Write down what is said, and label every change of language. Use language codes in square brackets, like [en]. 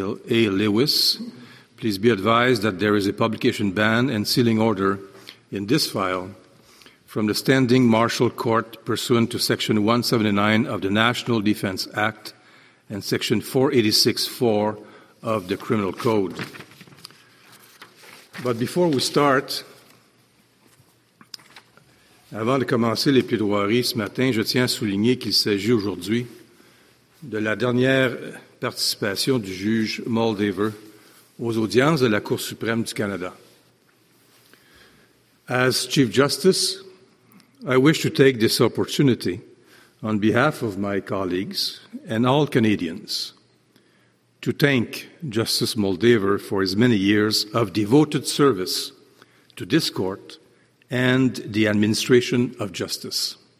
[en] Lewis, please be advised that there is a publication ban and sealing order in this file from the Standing Martial Court pursuant to Section 179 of the National Defense Act and Section 486(4) of the Criminal Code. But before we start, [fr] avant de commencer les plaidoiries ce matin, je tiens à souligner qu'il s'agit aujourd'hui de la dernière participation du juge Moldaver aux audiences de la Cour suprême du Canada. [en] As Chief Justice, I wish to take this opportunity on behalf of my colleagues and all Canadians to thank Justice Moldaver for his many years of devoted service to this court and the administration of justice.